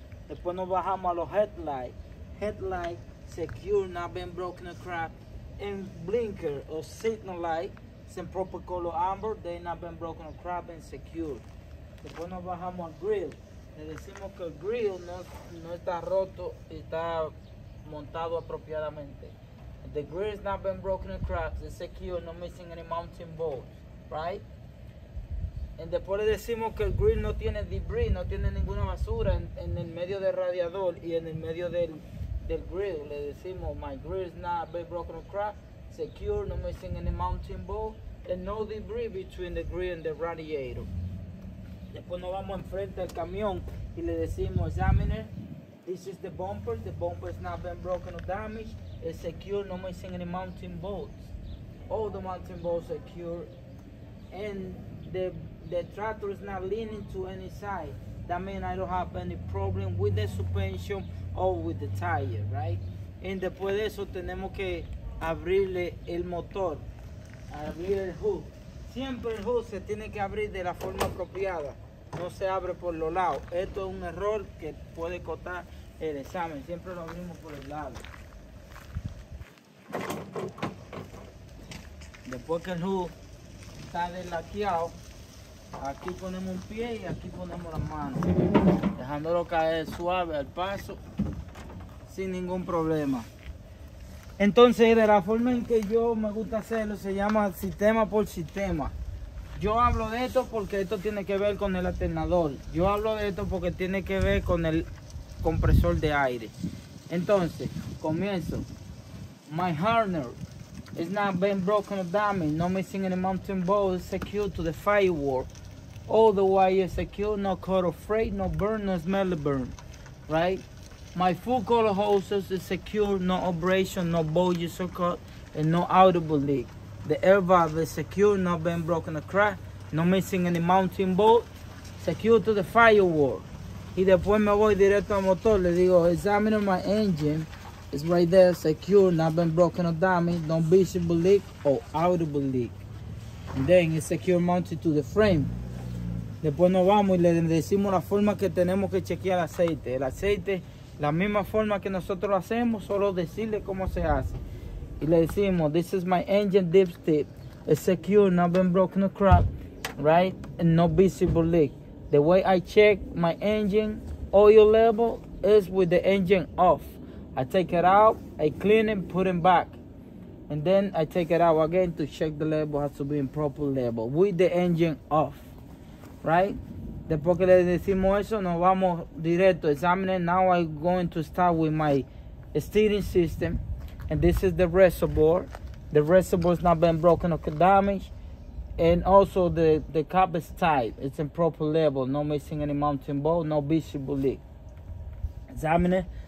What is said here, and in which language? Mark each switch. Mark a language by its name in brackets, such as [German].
[Spanish] Después nos bajamos a los headlight. [English] Headlight secure, not been broken or cracked, and blinker or signal light, some proper color amber, they not been broken or cracked and secure. [Spanish] Después nos bajamos al grill. Le decimos que el grill no está roto, está montado apropiadamente. [English] The grill has not been broken or cracked, it's secure, no missing any mounting bolts, right? [Spanish] Y después le decimos que el grill no tiene debris, no tiene ninguna basura en el medio del radiador y en el medio del grill. Le decimos, [English] my grill has not been broken or cracked, secure, no missing any mounting bolts, and no debris between the grill and the radiator. [Spanish] Después nos vamos enfrente al camión y le decimos, [English] examiner, this is the bumper. The bumper has not been broken or damaged. It's secure, no missing any mounting bolts. All the mounting bolts are secure. And the tractor is not leaning to any side. That means I don't have any problem with the suspension or with the tire, right? [Spanish] Y después de eso tenemos que abrirle el motor, abrir el hook. Siempre el hook se tiene que abrir de la forma apropiada. No se abre por los lados. Esto es un error que puede costar el examen. Siempre lo abrimos por el lado. Después que el hook está deslaqueado, aquí ponemos un pie y aquí ponemos las manos, dejándolo caer suave al paso, sin ningún problema. Entonces, de la forma en que yo me gusta hacerlo, se llama sistema por sistema. Yo hablo de esto porque esto tiene que ver con el alternador. Yo hablo de esto porque tiene que ver con el compresor de aire. Entonces, comienzo. [English] My harness is not been broken or damaged. No missing any mounting bolt. It's secure to the firewall. All the wire is secure. No cut or frayed. No burn. No smell burn. Right? My full color hoses is secure. No abrasion. No bulges or cut. And no audible leak. The air valve is secure, not been broken or cracked, no missing any mounting bolt, secure to the firewall. [Spanish] Y después me voy directo al motor, le digo, [English] examining my engine, it's right there, secure, not been broken or damaged, no visible leak or audible leak. And then it's secure mounted to the frame. [Spanish] Después nos vamos y le decimos la forma que tenemos que chequear el aceite. El aceite, la misma forma que nosotros lo hacemos, solo decirle cómo se hace. Y le decimos, [English] this is my engine dipstick. It's secure, not been broken or cracked, right? And no visible leak. The way I check my engine oil level is with the engine off. I take it out, I clean it, put it back. And then I take it out again to check the level has to be in proper level with the engine off, right? [Spanish] Después que le decimos eso, nos vamos directo examining. [English] Now I'm going to start with my steering system. And this is the reservoir. The reservoir has not been broken or damaged. And also the cap is tight. It's in proper level. No missing any mounting bolt. No visible leak. Examine it.